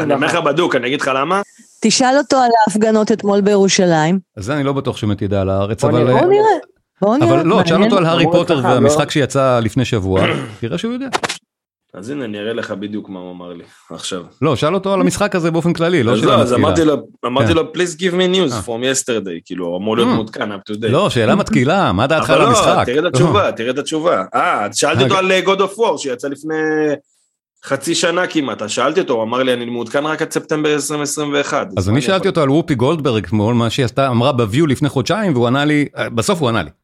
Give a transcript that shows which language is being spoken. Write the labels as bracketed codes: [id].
[he] אני אומר לך בדוק, אני אגיד לך למה? תשאל אותו על ההפגנות אתמול בירושלים. אז זה אני לא בטוח שמת ידע על הארץ, אבל... בוא נראה, בוא נראה. אבל לא, תשאל אותו על הארי פוטר והמשחק שיצא לפני שבוע, תראה שהוא יודע. אז הנה, אני אראה לך בדיוק מה הוא אמר לי עכשיו. לא, שאל אותו על המשחק הזה באופן כללי, לא שאלה מתקילה. אז אמרתי לו, [en] please give me news from yesterday, [he] כאילו, אמור להיות מותקן up to date. לא, שאלה מתקילה, מה דעתך על המשחק? אבל לא, תראה את התשובה, תראה את התשובה. אז שאלתי אותו על God of War, שיצא לפני חצי שנה כמעט, שאלתי אותו, הוא אמר לי, אני מותקן רק עד ספטמבר 2021. אז אני שאלתי אותו על וופי גולדברג, מה שהיא אמרה בוויו לפני חודשיים, והוא ענה לי, בסוף הוא ענה לי.